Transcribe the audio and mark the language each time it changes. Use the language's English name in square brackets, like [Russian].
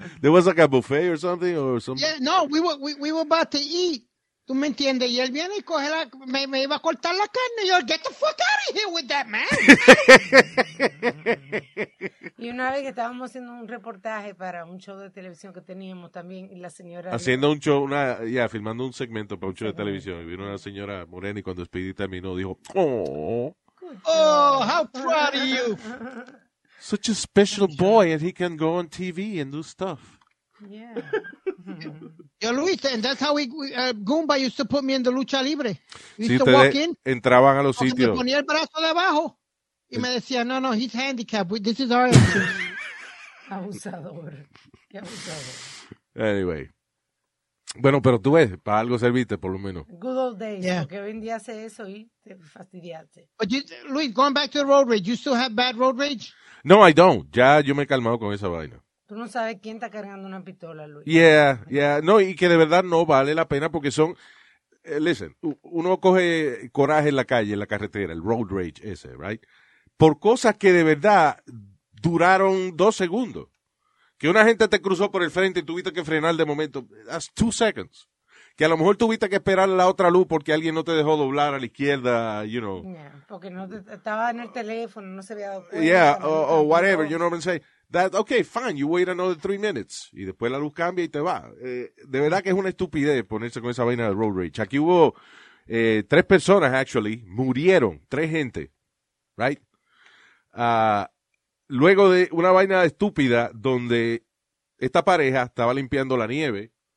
[English] There was like a buffet or something? Or some... Yeah, no, we were about to eat. [Spanish] ¿Tú me entiendes? Y él viene y coge me iba a cortar la carne. Y yo, [English] get the fuck out of here with that man. [Spanish] Y una vez que estábamos haciendo un reportaje para un show de televisión que teníamos también, y la señora... Haciendo un show, filmando un segmento para un show de televisión. Y vino una señora morena y cuando Speedy terminó dijo, oh. [English] Oh, how proud of you. Such a special boy and he can go on TV and do stuff. Yeah. Yo, Luis, and that's how we Goomba used to put me in the lucha libre. [Spanish] Si ustedes entraban a los sitios. Me ponía el brazo de abajo y me decía, no, no, [English] he's handicapped. This is our [Spanish] abusador. Qué abusador. [English] Anyway. [Spanish] Bueno, pero tú ves, para algo serviste, por lo menos. [English] Good old days, yeah. [Spanish] Porque hoy en día hace eso y te fastidiaste. [English] But you, Luis, going back to the road rage, you still have bad road rage? No, I don't. [Spanish] Ya yo me he calmado con esa vaina. Tú no sabes quién está cargando una pistola, Luis. [English] Yeah, yeah. [Spanish] No, y que de verdad no vale la pena porque son... listen, uno coge coraje en la calle, en la carretera, el road rage ese, right? Por cosas que de verdad duraron 2 segundos. Que una gente te cruzó por el frente y tuviste que frenar de momento. [English] That's 2 seconds. [Spanish] Que a lo mejor tuviste que esperar la otra luz porque alguien no te dejó doblar a la izquierda, [English] you know. [Spanish] Yeah, porque no te, estaba en el teléfono, no se había dado cuenta. [English] Yeah, o whatever, you know what I'm saying. That, okay, fine, you wait another 3 minutes. [Spanish] Y después la luz cambia y te va. De verdad que es una estupidez ponerse con esa vaina de road rage. Aquí hubo 3 personas, actually, murieron. 3 gente, right? Luego de una vaina estúpida donde esta pareja estaba limpiando la nieve.